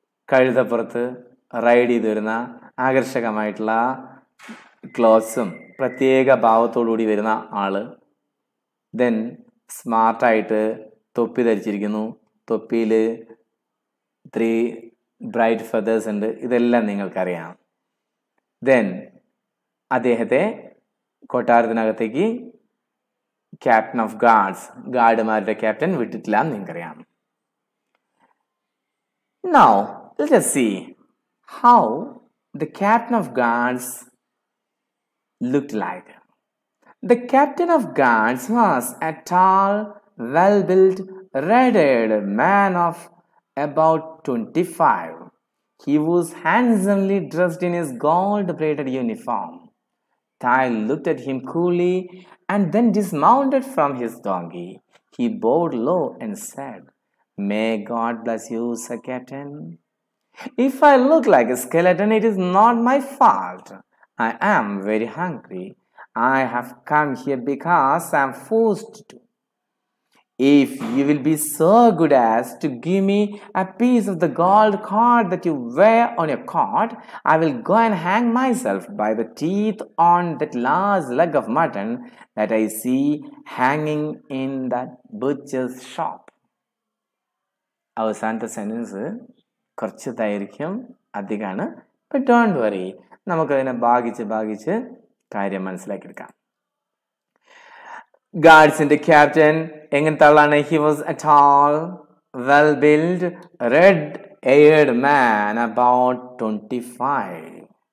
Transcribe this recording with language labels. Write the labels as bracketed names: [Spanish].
[Malayalam] കഴുതപ്പുറത്ത് റൈഡ് ചെയ്ത് വരുന്ന ആകർഷകമായിട്ടുള്ള ക്ലോത്സും പ്രത്യേക ഭാവത്തോടുകൂടി വരുന്ന ആള്, ദെൻ സ്മാർട്ടായിട്ട് തൊപ്പി ധരിച്ചിരിക്കുന്നു, തൊപ്പിയിൽ [English] 3 bright feathers [Malayalam] ഉണ്ട്, ഇതെല്ലാം നിങ്ങൾക്കറിയാം. ദെൻ അദ്ദേഹത്തെ കൊട്ടാരത്തിനകത്തേക്ക് ക്യാപ്റ്റൻ ഓഫ് ഗാർഡ്സ്, ഗാർഡുമാരുടെ ക്യാപ്റ്റൻ വിട്ടിട്ടില്ല എന്ന് നിങ്ങൾക്കറിയാം. [English] Now, let us see how the captain of guards looked like. The captain of guards was a tall, well-built, red-haired man of about 25. He was handsomely dressed in his gold-braided uniform. Tai looked at him coolly and then dismounted from his donkey. He bowed low and said, May God bless you, Sir Captain. If I look like a skeleton, it is not my fault. I am very hungry. I have come here because I am forced to. If you will be so good as to give me a piece of the gold cord that you wear on your cord, I will go and hang myself by the teeth on that large leg of mutton that I see hanging in that butcher's shop. [Malayalam] അവസാനത്തെ sentence കുറച്ച് ദൈർഘ്യം അധികമാണ്, [English] but don't worry, [Malayalam] നമുക്കതിനെ ഭാഗിച്ച് ഭാഗിച്ച് കാര്യം മനസ്സിലാക്കിയെടുക്കാം. ഗാർഡ്സിൻ്റെ captain എങ്ങനത്തെ ആളാണ്? [English] He was a tall well build red haired man about 25.